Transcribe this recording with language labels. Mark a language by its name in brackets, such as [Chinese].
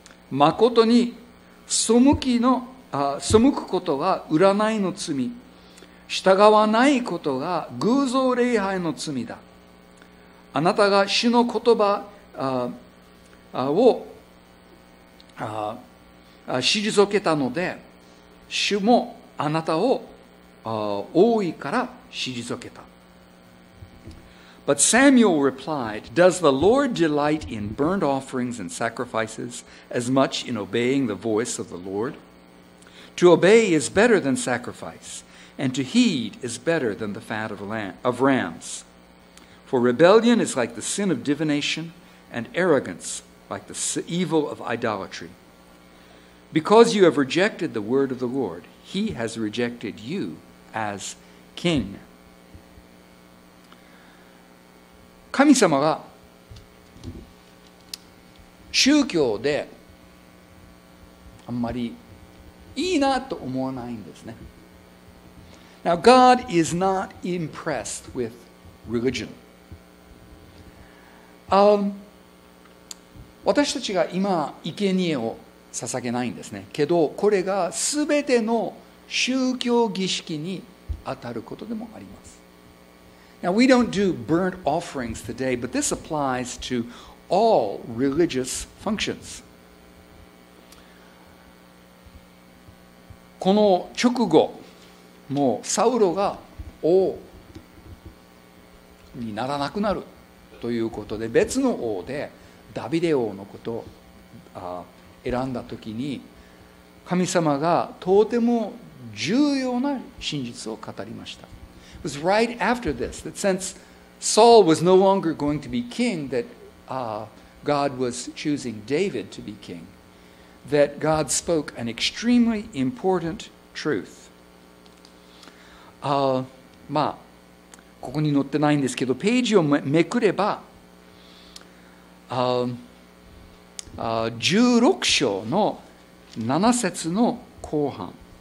[Japanese] まことに背くことは占いの罪、従わないことが偶像礼拝の罪だ。あなたが主の言葉を退けたので、主もあなたを王位から退けた。 [English] But Samuel replied, Does the Lord delight in burnt offerings and sacrifices as much in obeying the voice of the Lord? To obey is better than sacrifice, and to heed is better than the fat of rams. For rebellion is like the sin of divination, and arrogance like the evil of idolatry. Because you have rejected the word of the Lord, he has rejected you as king. [Japanese] 神様が宗教であんまりいいなと思わないんですね。 [English] Now, God is not impressed with religion. [Japanese] 私たちが今、生贄を捧げないんですね。けど、これが全ての宗教儀式に当たることでもあります。 [English] Now, we don't do burnt offerings today, but this applies to all religious functions. [Japanese] この直後、もうサウロが王にならなくなるということで、別の王でダビデ王のことを選んだときに、神様がとても重要な真実を語りました。 [English] It was right after this that since Saul was no longer going to be king, that God was choosing David to be king, that God spoke an extremely important truth. [Japanese] まあ、ここに載ってないんですけど、ページをめくれば、16章の7節の後半、